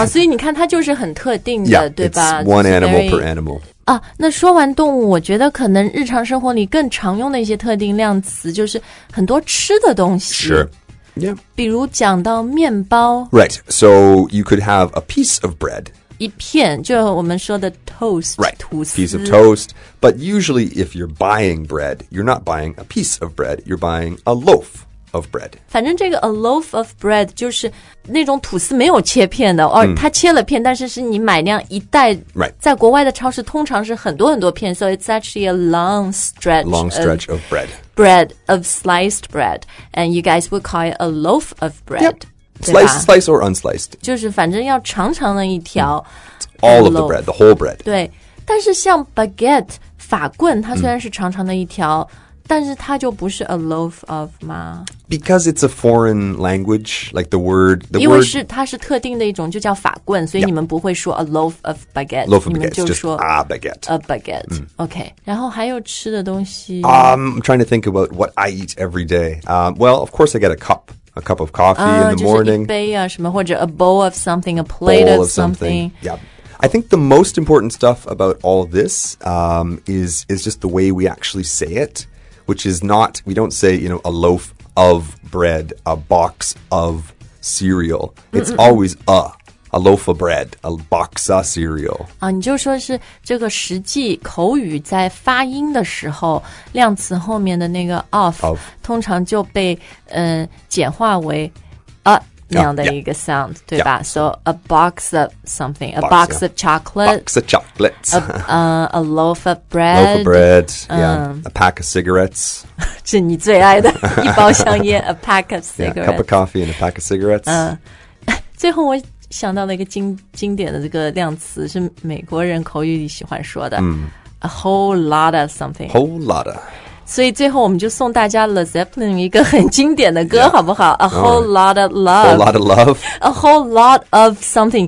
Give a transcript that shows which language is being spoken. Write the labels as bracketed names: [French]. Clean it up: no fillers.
[Chinese] 所以你看它就是很特定的, [English] yeah, [Chinese] 对吧? [English] It's one animal per animal. [Chinese] 啊，那说完动物，我觉得可能日常生活里更常用的一些特定量词就是很多吃的东西。 [English] Sure. Yeah. [Chinese] 比如讲到面包。 [English] Right. So you could have a piece of bread. [Chinese] 一片，就我们说的 toast. [English] Right. [Chinese] 吐司。 [English] Piece of toast. But usually if you're buying bread, you're not buying a piece of bread, you're buying a loaf. Of bread. [Chinese] 反正这个 [English] a loaf of bread [Chinese] 就是那种吐司没有切片的、mm. 它切了片但是是你买那样一袋、 [English] right. [Chinese] 在国外的超市通常是很多很多片 [English] So it's actually a long stretch, of bread. Bread, of sliced bread. And you guys would call it a loaf of bread.、 Yep. Slice or unsliced. [Chinese] 就是反正要长长的一条、mm. [English] All of the bread, the whole bread. [Chinese] 对但是像 baguette, 法棍它虽然是长长的一条、mm. 但是它就不是 a loaf of 吗 [English] Because it's a foreign language, like the word... The [Chinese] 因为是它是特定的一种就叫法棍所以你们不会说 [English] a loaf of baguette. Loaf of baguette, [Chinese] 你们就说 [English] just a baguette. A baguette,、mm. okay. [Chinese] 然后还有吃的东西 [English] I'm trying to think about what I eat every day.、Well, of course I get a cup of coffee in the morning. [Chinese] 就是一杯啊什么或者 [English] a bowl of something, a plate of something. Yeah. I think the most important stuff about all this、is just the way we actually say it, which is not, we don't say, you know, a loaf of bread, a box of cereal. It's、 mm-hmm. always a loaf of bread, a box of cereal. [Chinese] 啊，你就说是这个实际口语在发音的时候，量词后面的那个 [English] of [Chinese] 通常就被、简化为那样的一个 sound, [English] yeah, [Chinese] 对吧 [English] yeah, so a box of something, box of chocolate, box of chocolates, a loaf of bread, yeah, a pack of cigarettes, [Chinese] 是你最爱的一包香烟 [English] a pack of cigarettes, a、yeah, cup of coffee and a pack of cigarettes. [Chinese] 最后我想到了一个经典的这个量词是美国人口语里喜欢说的、 mm. [English] a whole lot of something, whole lot of. [Chinese] 所以最后我们就送大家 Led Zeppelin 一个很经典的歌、 [English] yeah. [Chinese] 好不好 [English] A whole lot of love A whole lot of love A whole lot of something、